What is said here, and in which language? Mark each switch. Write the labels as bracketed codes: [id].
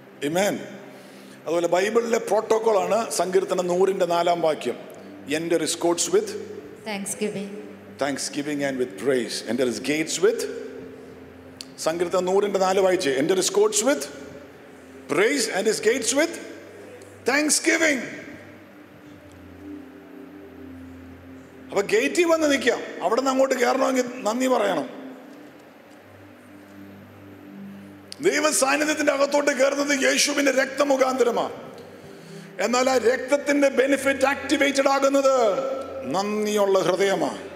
[ml] ആമേൻ. അതുപോലെ ബൈബിളിലെ പ്രോട്ടോകോൾ ആണ് സങ്കീർത്തന 100:4. [en] Enter his courts with thanksgiving. Thanksgiving and with praise. Enter his gates with സങ്കീർത്തന 100:4 വായിച്ചേ. Enter his courts with praise and his gates with thanksgiving. [ml] അപ്പൊ ഗേറ്റിൽ വന്ന് നിൽക്കുക, അവിടെ നിന്ന് അങ്ങോട്ട് കയറണമെങ്കിൽ നന്ദി പറയണം. ദൈവ സാന്നിധ്യത്തിന്റെ അകത്തോട്ട് കയറുന്നത് യേശുവിന്റെ രക്ത മുഖാന്തരമാ. എന്നാൽ ആ രക്തത്തിന്റെ ബെനിഫിറ്റ് ആക്ടിവേറ്റഡ് ആകുന്നത് നന്ദിയുള്ള ഹൃദയമാ.